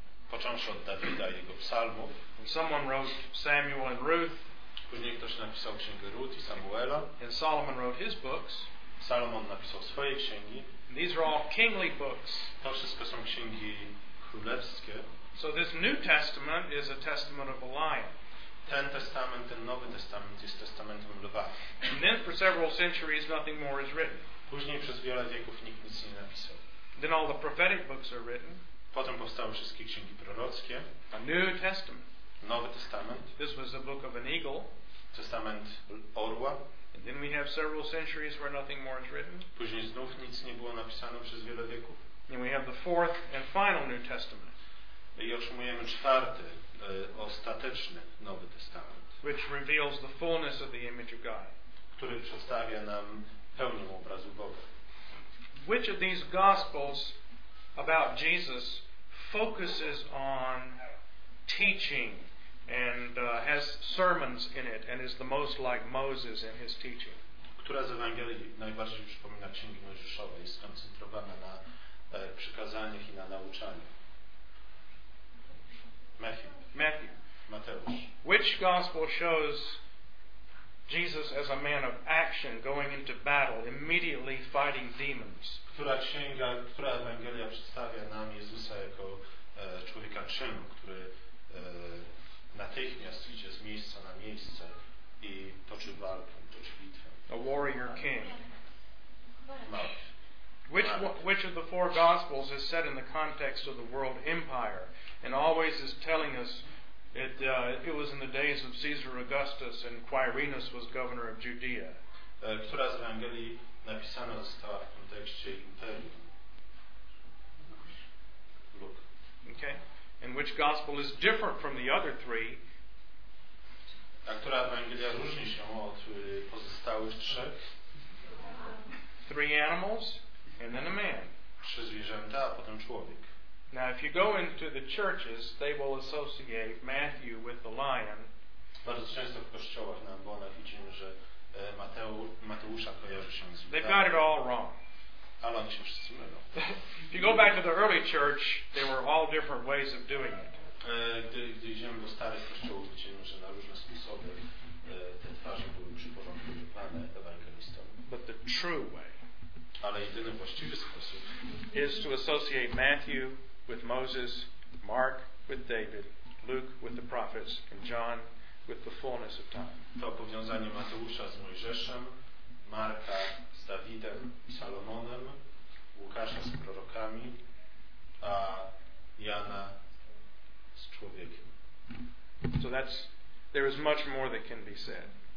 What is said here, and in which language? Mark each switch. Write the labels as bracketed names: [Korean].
[Polish] począwszy od Dawida i jego psalmów. [English] When someone wrote Samuel and Ruth, [Polish] później ktoś napisał Księgę Ruth i Samuela. [English] And Solomon wrote his books. [Polish] Salomon napisał swoje księgi. [English] And these are all kingly books. [Polish] To wszystko są księgi królewskie. [English] So this New Testament is a testament of a lion. [Polish] Ten testament, ten Nowy Testament jest testamentem lwa. [English] And then for several centuries nothing more is written. [Polish] Później przez wiele wieków nikt nic nie napisał. [English] Then all the prophetic books are written. [Polish] Potem powstały wszystkie księgi prorockie. [English] A New Testament. [Polish] Nowy Testament. [English] This was the book of an eagle. [Polish] Testament orła. [English] And then we have several centuries where nothing more is written. [Polish] Później znów nic nie było napisane przez wiele wieków. [English] And we have the fourth and final New Testament. [Polish] I otrzymujemy czwarty, ostateczny Nowy Testament. [English] Which reveals the fullness of the image of God. [Polish] Który przedstawia nam pełnią obrazu Boga. [English] Which of these gospels about Jesus focuses on teaching and has sermons in it and is the most like Moses in his teaching? [Polish] Która z Ewangelii najbardziej przypomina Księgi Mojżeszowe, jest skoncentrowana na przykazaniach i na nauczaniu? [English] Matthew. Matthew. [Polish] Mateusz. [English] Which gospel shows Jesus as a man of action going into battle, immediately fighting demons. [Polish] Która księga, która Ewangelia przedstawia nam Jezusa jako człowieka czynu, który natychmiast idzie z miejsca na miejsce i toczy walkę, toczy bitwę. [English] A warrior king. Mark. Which of the four Gospels is set in the context of the world empire and always is telling us it was in the days of Caesar Augustus and Quirinus was governor of Judea? [Polish] Która z Ewangelii napisana została w kontekście imperium? [English] Luke. Okay. And which Gospel is different from the other three? [Polish] A która Ewangelia różni się od pozostałych trzech? [English] Three animals? And then a man. [Polish] Trzy zwierzęta, a potem człowiek. [English] Now, if you go into the churches, they will associate Matthew with the lion. [Polish] Bardzo często w kościołach na ambonach widzimy, że Mateusza kojarzy się z. [English] They've got it all wrong. [Polish] Ale oni się wszyscy mylą. [English] If you go back to the early church, there were all different ways of doing it. [Polish] Gdy idziemy do starych kościołów, widzimy, że na różne sposoby te twarze były przyporządkowane ewangelistom. [English] But the true way. [Polish] Ale jedyny właściwy sposób [English] is to associate Matthew with Moses, Mark with David, Luke with the prophets, and John with the fullness of time. [Polish] To powiązanie Mateusza z Mojżeszem, Marka z Dawidem i Salomonem, Łukasza z prorokami, a Jana z człowiekiem. [English] So that's, there is much more that can be said.